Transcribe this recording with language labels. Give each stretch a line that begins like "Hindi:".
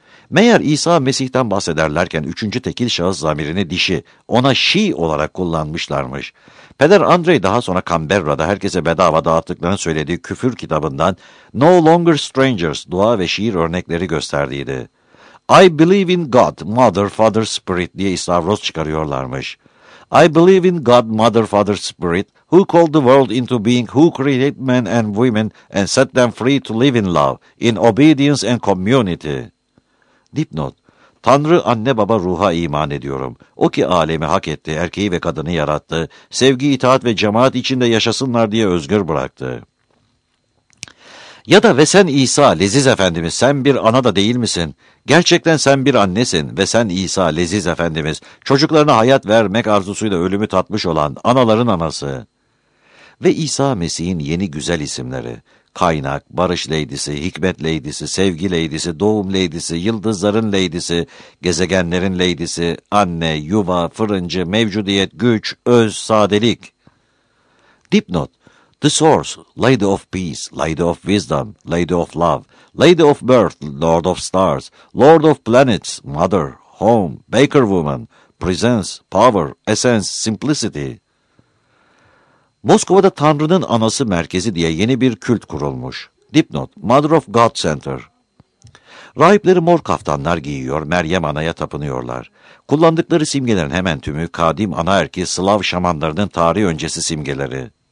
Turkish: Meğer İsa Mesih'ten bahsederlerken üçüncü tekil şahıs zamirini dişi, ona
English: she
Turkish: olarak kullanmışlarmış. Peder Andrei daha sonra Canberra'da herkese bedava dağıttıklarını söylediği küfür kitabından No Longer Strangers dua ve şiir örnekleri gösterdiydi.
English: I Believe in God, Mother, Father, Spirit
Turkish: diye istavroz çıkarıyorlarmış.
English: I believe in God, Mother, Father, Spirit, who called the world into being, who created men and women and set them free to live in love, in obedience and community.
Turkish: Dipnot, Tanrı anne baba ruha iman ediyorum. O ki alemi hak etti, erkeği ve kadını yarattı, sevgi, itaat ve cemaat içinde yaşasınlar diye özgür bıraktı. Ya da ve sen İsa, Leziz Efendimiz, sen bir ana da değil misin? Gerçekten sen bir annesin ve sen İsa, Leziz Efendimiz, çocuklarına hayat vermek arzusuyla ölümü tatmış olan anaların anası. Ve İsa Mesih'in yeni güzel isimleri, Kaynak, Barış Leydisi, Hikmet Leydisi, Sevgi Leydisi, Doğum Leydisi, Yıldızların Leydisi, Gezegenlerin Leydisi, Anne, Yuva, Fırıncı, Mevcudiyet, Güç, Öz, Sadelik. Dipnot.
English: The Source, Lady of Peace, Lady of Wisdom, Lady of Love, Lady of Birth, Lord of Stars, Lord of Planets, Mother, Home, Baker Woman, Presence, Power, Essence, Simplicity.
Turkish: Moskova'da Tanrı'nın anası merkezi diye yeni bir kült kurulmuş. Dipnot, Mother of God Center. Rahipleri mor kaftanlar giyiyor, Meryem Ana'ya tapınıyorlar. Kullandıkları simgelerin hemen tümü kadim anaerki Slav şamanlarının tarih öncesi simgeleri.